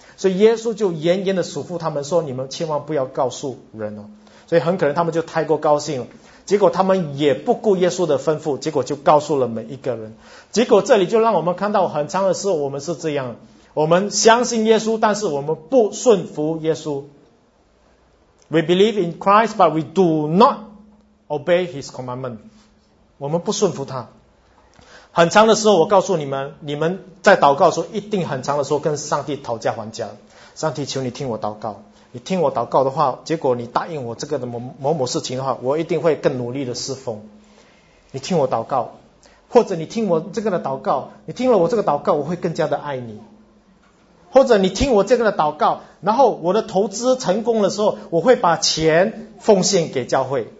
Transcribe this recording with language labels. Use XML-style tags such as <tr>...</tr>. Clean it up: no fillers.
<zh>所以耶稣就严严的嘱咐他们说，你们千万不要告诉人哦。所以很可能他们就太过高兴了，结果他们也不顾耶稣的吩咐，结果就告诉了每一个人。结果这里就让我们看到，很长的时候我们是这样，我们相信耶稣，但是我们不顺服耶稣。</zh> <en>We believe in Christ but we do not obey his commandment，</en> <zh>我们不顺服他。很长的时候我告诉你们，你们在祷告的时候一定很长的时候跟上帝讨价还价，上帝求你听我祷告，你听我祷告的话，结果你答应我这个的某某事情的话，我一定会更努力的侍奉，你听我祷告，或者你听我这个的祷告，你听了我这个祷告，我会更加的爱你，或者你听我这个的祷告，然后我的投资成功的时候，我会把钱奉献给教会。</zh>